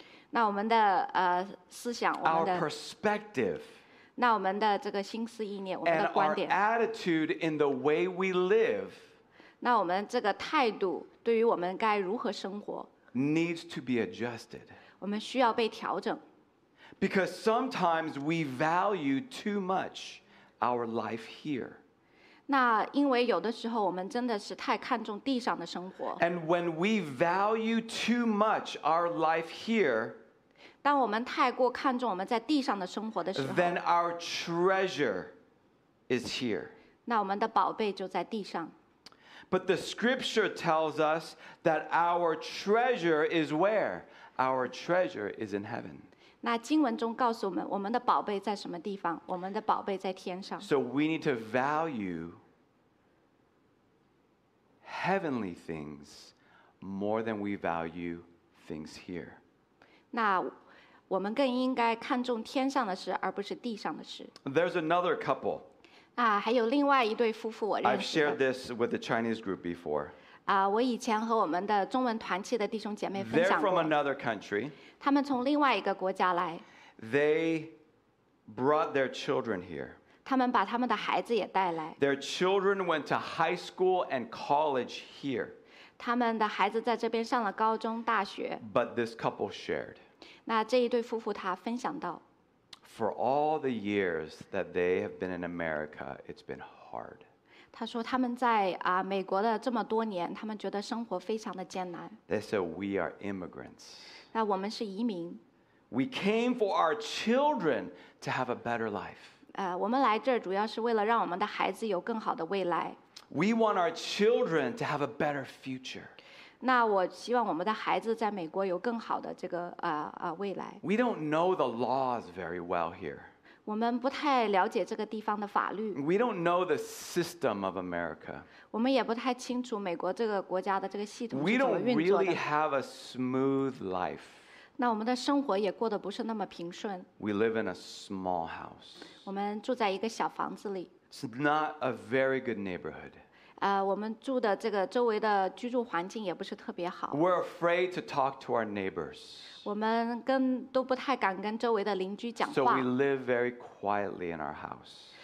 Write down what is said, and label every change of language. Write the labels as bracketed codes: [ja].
[zh] 那我们的思想，我们的 [en] our perspective, [zh] 那我们的这个心思意念，我们的观点 [en] and our attitude in the way we live, [zh] 那我们这个态度对于我们该如何生活 [en] needs to be adjusted. [zh] 我们需要被调整。 [en] Because sometimes we value too much our life here. [zh] 那因为有的时候我们真的是太看重地上的生活。 [en] And when we value too much our life here, [zh] 当我们太过看重我们在地上的生活的时候， [en] then our treasure is here. [zh] 那我们的宝贝就在地上。 [en] But the scripture tells us that our treasure is where? Our treasure is in heaven. [zh] 那经文中告诉我们，我们的宝贝在什么地方？我们的宝贝在天上。 [en] So we need to value heavenly things more than we value things here. [zh] 那我们更应该看重天上的事，而不是地上的事。 [en] There's another couple. [zh] 啊，还有另外一对夫妇，我认识。 [en] I've shared this with the Chinese group before. [zh] 啊，我以前和我们的中文团契的弟兄姐妹分享过。 [en] They're from another country. [zh] 他们从另外一个国家来。 [en] They brought their children here. [zh] 他们把他们的孩子也带来。 [en] Their children went to high school and college here. [zh] 他们的孩子在这边上了高中、大学。 [en] But this couple shared. [zh] 那这一对夫妇他分享到 [en] For all the years that they have been in America, it's been hard. [zh] 他说他们在美国的这么多年，他们觉得生活非常的艰难。 [en] They said we are immigrants. [zh] 那我们是移民。 [en] We came for our children to have a better life. [zh] 我们来这儿主要是为了让我们的孩子有更好的未来。 [en] We want our children to have a better future. [zh] 那我希望我们的孩子在美国有更好的这个未来。 [en] We don't know the laws very well here. [zh] 我们不太了解这个地方的法律。 [en] We don't know the system of America. [zh] 我们也不太清楚美国这个国家的这个系统是怎么运作的。 [en] We don't really have a smooth life. [zh] 那我们的生活也过得不是那么平顺。 [en] We live in a small house. [zh] 我们住在一个小房子里。 [en] It's not a very good neighborhood. [zh] 我们住的这个周围的居住环境也不是特别好。 [en] We're afraid to talk to our neighbors. [zh] 我们都不太敢跟周围的邻居讲话。 [en] So we live very quietly in our house.